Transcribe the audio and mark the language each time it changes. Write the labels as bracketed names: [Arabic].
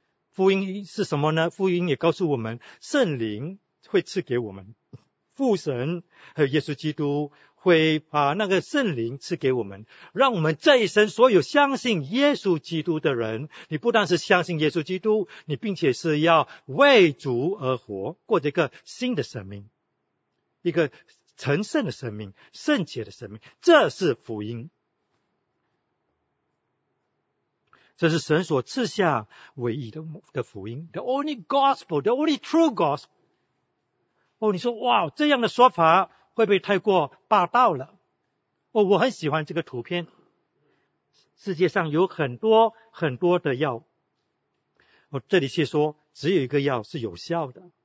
[Chinese] 福音是什么呢？福音也告诉我们，圣灵会赐给我们，父神和耶稣基督会把那个圣灵赐给我们，让我们这一生所有相信耶稣基督的人，你不但是相信耶稣基督，你并且是要为主而活，过着一个新的生命，一个成圣的生命，圣洁的生命，这是福音。这是神所赐下唯一的福音， [English] The only gospel, the only true gospel。 [Chinese] 哦，你说哇，这样的说法会不会太过霸道了？哦，我很喜欢这个图片。世界上有很多很多的药，我这里却说只有一个药是有效的。